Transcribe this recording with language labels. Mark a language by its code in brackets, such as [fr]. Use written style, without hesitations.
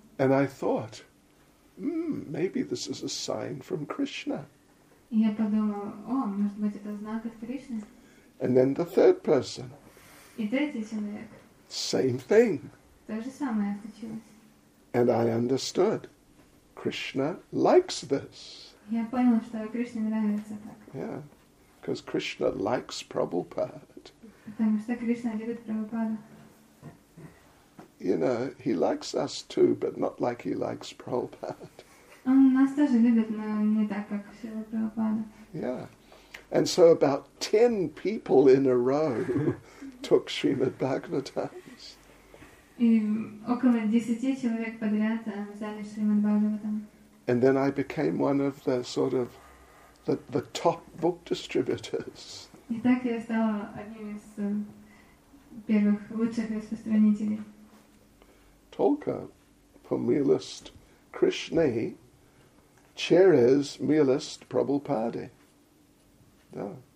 [en] And I thought, maybe this is a sign from Krishna. [ru] И я подумал, о, может быть, это знак от Кришны. [en] And then the third person. [ru] И третий человек. [en] Same thing. [ru] То же самое случилось. [en] And I understood. Krishna likes this. [ru] Я понял, что Кришне нравится так. [en] Yeah. Because Krishna likes Prabhupada. [ru] Потому что Кришна любит Прабхупаду. [en] You know, he likes us too, but not like he likes Prabhupada. [ru] Он нас тоже любит, но не так, как Шрила Прабхупада. [en] Yeah. And so about 10 people in a row took Srimad Bhagavatams. [ru] И около 10 человек подряд взяли Шримад Бхагаватам. [en] And then I became one of the sort of the top book distributors. [ru] И так я стала одним из первых лучших распространителей. Только по милост Кришны через милост Прабхупады. Да.